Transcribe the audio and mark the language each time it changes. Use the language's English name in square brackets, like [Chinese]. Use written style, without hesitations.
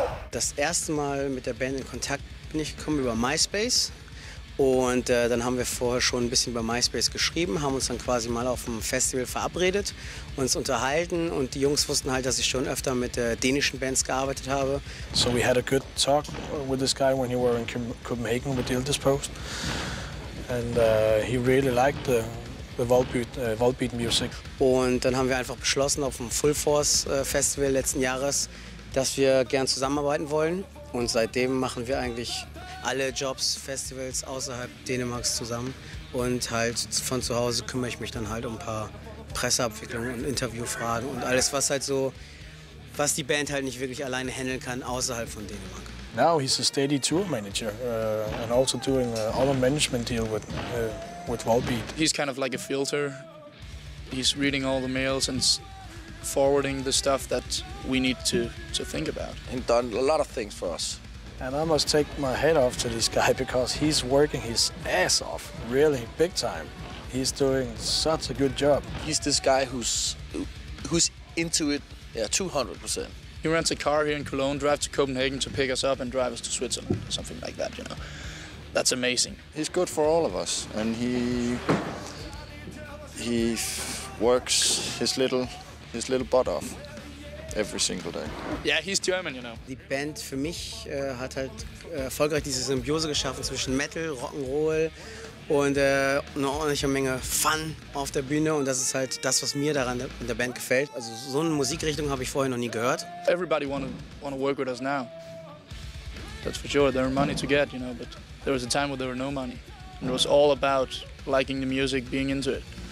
[German] Das erste Mal mit der Band in Kontakt bin ich gekommen über MySpace. Und dann haben wir vorher schon ein bisschen über MySpace geschrieben, haben uns dann quasi mal auf dem Festival verabredet, uns unterhalten, und die Jungs wussten halt, dass ich schon öfter mit dänischen Bands gearbeitet habe. [English] So we had a good talk with this guy when he were in Copenhagen with Ildispost. And he really liked the Volbeat music. [German] Und dann haben wir einfach beschlossen auf dem Full Force Festival letzten Jahres, dass wir gern zusammenarbeiten wollen, und seitdem machen wir eigentlich alle Jobs, Festivals außerhalb Dänemarks zusammen, Und halt von zu Hause kümmere ich mich dann halt um ein paar Presseabwicklungen und Interviewfragen und alles, was halt so, was die Band halt nicht wirklich alleine handeln kann, außerhalb von Dänemark. [English] Now he's a steady tour manager and also doing all the management deal with Volbeat. He's kind of like a filter. He's reading all the mails and forwarding the stuff that we need to think about. He's done a lot of things for us. And I must take my hat off to this guy because he's working his ass off, really, big time. He's doing such a good job. He's this guy who's into it, yeah, 200%. He rents a car here in Cologne, drives to Copenhagen to pick us up and drive us to Switzerland, something like that, you know. That's amazing. He's good for all of us, and he works his little butt off every single day. Yeah, he's German, you know. [German] Die Band für mich hat halt erfolgreich diese Symbiose geschaffen zwischen Metal, Rock'n'Roll und eine ordentliche Menge Fun auf der Bühne. Und das ist halt das, was mir daran in der Band gefällt. Also so eine Musikrichtung habe ich vorher noch nie gehört. [English] Everybody wanna work with us now. That's for sure. There are money to get, you know. But there was a time where there were no money. And it was all about liking the music, being into it.